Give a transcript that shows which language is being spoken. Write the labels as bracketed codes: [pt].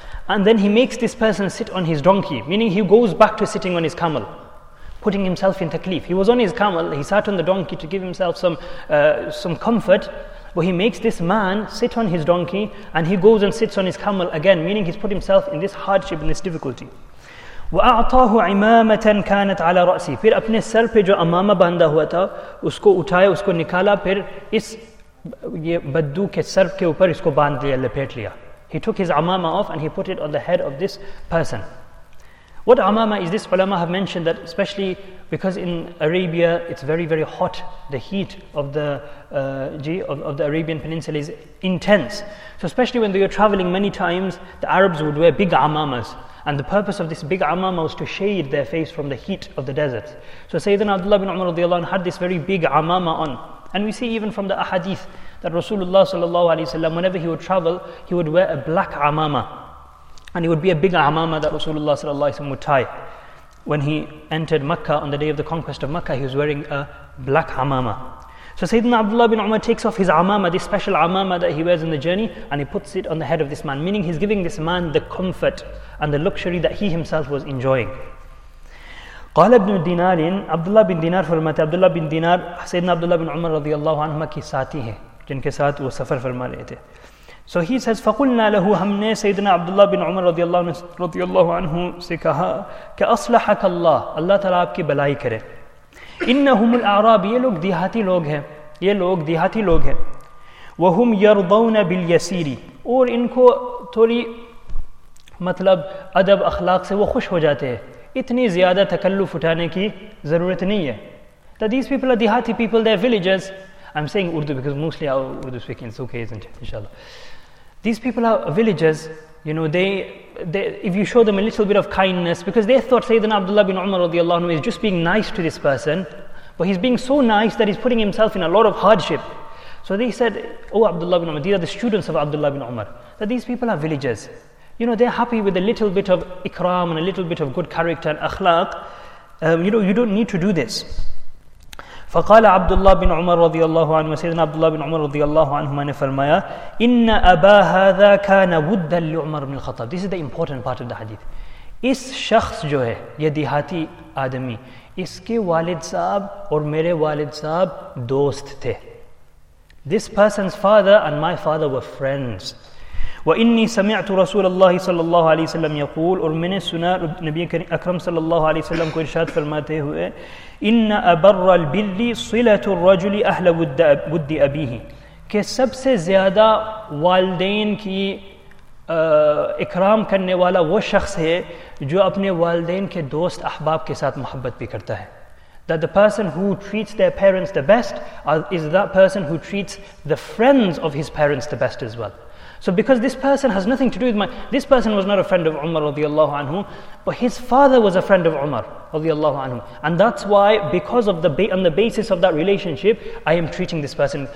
[en] And then he makes this person sit on his donkey, meaning he goes back to sitting on his camel, putting himself in taklif. He was on his camel, he sat on the donkey to give himself some comfort. But he makes this man sit on his donkey, and he goes and sits on his camel again, meaning he's put himself in this hardship, in this difficulty. [ar] وَأَعْطَاهُ عِمَامَةً كَانَتْ عَلَى رَأْسِ [ur] پھر اپنے سر پہ جو امامہ باندھا ہوا تھا اس کو اٹھایا اس کو نکالا پھر اس یہ بدو کے سر کے اوپر اس کو باندھ لیا لپیٹ لیا. [en] He took his amama off and he put it on the head of this person. What amama is this? Ulama have mentioned that especially because in Arabia it's very, very hot. The heat of the Arabian Peninsula is intense. So especially when they were traveling many times, the Arabs would wear big amamas. And the purpose of this big amama was to shade their face from the heat of the desert. So Sayyidina Abdullah bin Umar radiallahu anhu had this very big amama on. And we see even from the ahadith that Rasulullah sallallahu alayhi wa sallam, whenever he would travel, he would wear a black amama. And it would be a big amama that Rasulullah sallallahu alayhi wa sallam would tie. When he entered Mecca on the day of the conquest of Mecca, he was wearing a black amama. So Sayyidina Abdullah bin Umar takes off his amama, this special amama that he wears in the journey, and he puts it on the head of this man, meaning he's giving this man the comfort and the luxury that he himself was enjoying. [ar] قال ابن دينار [ur] عبداللہ بن دینار فرماتے ہیں عبداللہ بن دینار سیدنا عبداللہ بن عمر رضی اللہ عنہ کی ساتھی ہیں جن کے ساتھ وہ سفر فرما رہے تھے. [en] So he says [ar] فقلنا له [ur] ہم نے سیدنا عبداللہ بن عمر رضی اللہ عنہ سے کہا کہ [ar] اصلحك اللہ, [ur] اللہ تعالیٰ آپ کی بلائی کرے. [ar] انہم الاعراب, [ur] یہ لوگ دیہاتی لوگ ہیں. [ar] وہم یرضون بالیسیری, [ur] اور ان کو تھوڑی مطلب ادب اخلاق سے وہ خوش ہو جاتے ہیں, اتنی زیادہ تکلف اٹھانے کی ضرورت نہیں ہے. [en] That these people are dihati people, they're villagers. I'm saying Urdu because mostly I'm Urdu speaking, it's okay, isn't it? Inshallah. These people are villagers, you know, they if you show them a little bit of kindness, because they thought Sayyidina Abdullah bin Umar radiallahu anhu is just being nice to this person, but he's being so nice that he's putting himself in a lot of hardship. So they said, oh Abdullah bin Umar, these are the students of Abdullah bin Umar, that these people are villagers. You know, they're happy with a little bit of ikram and a little bit of good character and akhlaq. You know, you don't need to do this. [ar] فَقَالَ عَبْدُ اللَّهِ بِنْ عُمَرَ رَضِيَ اللَّهُ عَنْهُ وَسَيْدَنَا عَبْدُ اللَّهِ بِنْ عُمَرَ رَضِيَ اللَّهُ عَنْهُ مَنِ فَرْمَيَا إِنَّ أَبَا هَذَا كَانَ وُدَّا لِعُمَرَ بِنْ الْخَطَابِ. [en] This is the important part of the hadith. [ur] اس شخص جو ہے, یہ دیہاتی آدمی, اس کے والد صاحب اور میرے والد صاحب دوست تھے. [en] This person's father and my father were friends. [ar] وَإِنِّي سَمِعْتُ رَسُولَ اللَّهِ صَلَى اللَّهُ عَلَيْهِ وَسَلَّمْ يَقُولُ, [ur] اور میں نے سنا نبی اکرم صلی اللہ علیہ وسلم کو ارشاد فرماتے ہوئے, [ar] إِنَّ أَبَرَّ الْبِلِّ صِلَةُ الرَّجُلِ أَهْلَ وُدِّ أَبِيهِ, [ur] کہ سب سے زیادہ والدین کی اکرام کرنے والا وہ شخص ہے جو اپنے والدین کے دوست احباب کے ساتھ محبت بھی کرتا ہے. [en] That the person who treats their parents the best is that person who treats the friends of his parents the best as well. So because this person has nothing to do with this person was not a friend of Umar radiallahu anhu, but his father was a friend of Umar radiallahu anhu. And that's why, because of on the basis of that relationship, I am treating this person.